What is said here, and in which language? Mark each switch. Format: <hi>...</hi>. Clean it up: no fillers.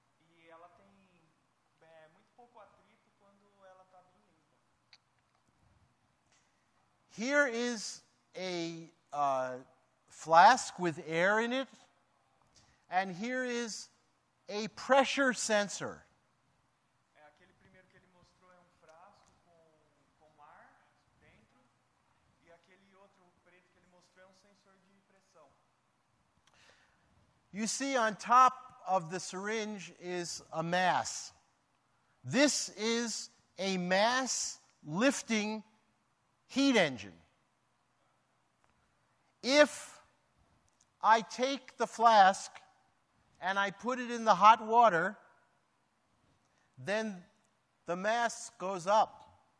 <pt>E ela tem muito pouco atrito quando ela tá bem limpa.</pt> <en>Here is a flask with air in it, and here is a pressure sensor.</en> <pt>É aquele primeiro que ele mostrou, é um frasco com ar dentro, e aquele outro preto que ele mostrou é um sensor de pressão.</pt> <en>You see, on top of the syringe is a mass. This is a mass lifting heat engine. If I take the flask and I put it in the hot water, then the mass goes up.</en>